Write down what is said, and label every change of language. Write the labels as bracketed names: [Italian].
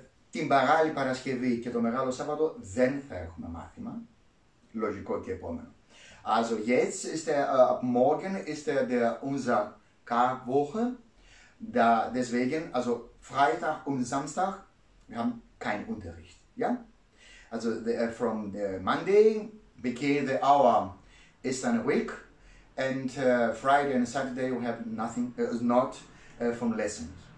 [Greek] Την μεγάλη Παρασκευή και το μεγάλο Σάββατο δεν θα έχουμε μάθημα. Λογικό και επόμενο. [German] Also jetzt ist der, ab morgen ist der unser Karwoche. Da, deswegen, also Freitag und Samstag, wir haben keinen Unterricht. Ja? [English] Also from the Monday, begin the hour is a week. And Friday and Saturday we have nothing, not from lessons.